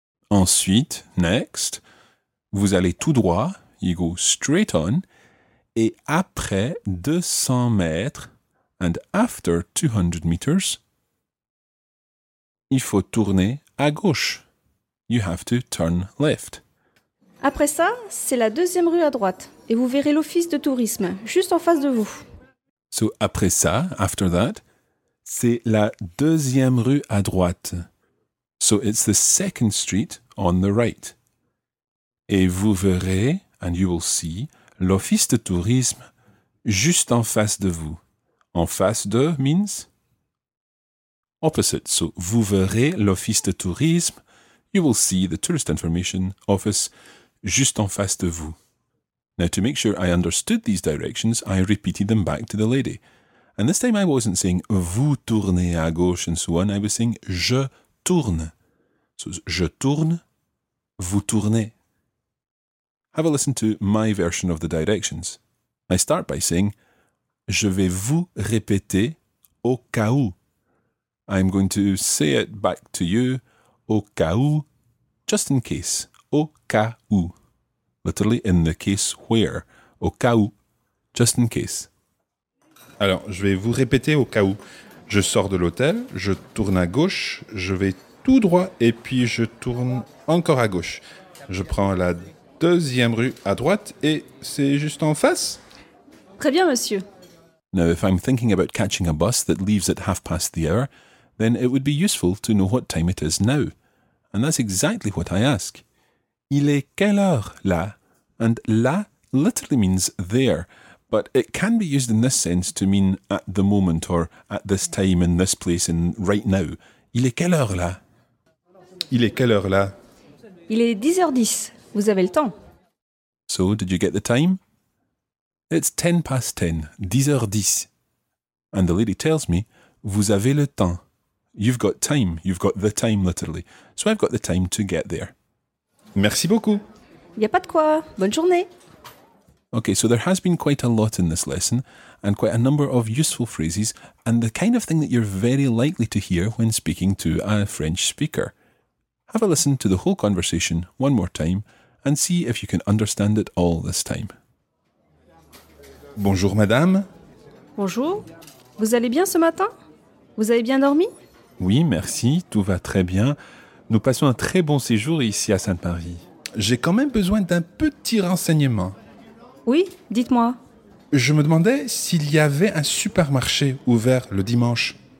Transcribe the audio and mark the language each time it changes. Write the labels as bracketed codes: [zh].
[fr] Ensuite, [en] next, [fr] vous allez tout droit, [en] you go straight on, [fr] et après 200 mètres, [en] and after 200 meters, [fr] il faut tourner à gauche. You have to turn left. Après ça, c'est la deuxième rue à droite, et vous verrez l'office de tourisme, juste en face de vous. [en] So, [fr] après ça, [en] after that, [fr] c'est la deuxième rue à droite. [en] So, it's the second street on the right. [fr] Et vous verrez, [en] and you will see, [fr] l'office de tourisme juste en face de vous. [en] En face de means opposite. So, [fr] vous verrez l'office de tourisme, [en] you will see the tourist information office [fr] juste en face de vous. [en] Now, to make sure I understood these directions, I repeated them back to the lady. And this time I wasn't saying [fr] vous tournez à gauche [en] and so on, I was saying [fr] je tourne. So, je tourne, vous tournez. [en] Have a listen to my version of the directions. I start by saying, [fr] je vais vous répéter au cas où. [en] I'm going to say it back to you, [fr] au cas où, [en] just in case, au cas où. Literally, in the case where, [fr] au cas où, [en] just in case. [fr] Alors, je vais vous répéter au cas où. Je sors de l'hôtel, je tourne à gauche, je vais tout droit et puis je tourne encore à gauche. Je prends la deuxième rue à droite et c'est juste en face. Très bien, monsieur. [en] Now, if I'm thinking about catching a bus that leaves at 1:30, then it would be useful to know what time it is now. And that's exactly what I ask. [fr] Il est quelle heure là? [en] And là literally means there, but it can be used in this sense to mean at the moment or at this time, in this place, in right now. [fr] Il est quelle heure là? Il est quelle heure là? Il est 10:10. Vous avez le temps. [en] So, did you get the time? It's 10:10. 10:10. And the lady tells me, [fr] vous avez le temps. [en] You've got time. You've got the time, literally. So, I've got the time to get there. [fr] Merci beaucoup. Il n'y a pas de quoi. Bonne journée. [en] Okay, so there has been quite a lot in this lesson and quite a number of useful phrases and the kind of thing that you're very likely to hear when speaking to a French speaker. Have a listen to the whole conversation one more time and see if you can understand it all this time. [fr] Bonjour, madame. Bonjour. Vous allez bien ce matin? Vous avez bien dormi? Oui, merci. Tout va très bien. Nous passons un très bon séjour ici à Sainte-Marie. J'ai quand même besoin d'un petit renseignement. Oui, dites-moi. Je me demandais s'il y avait un supermarché ouvert le dimanche.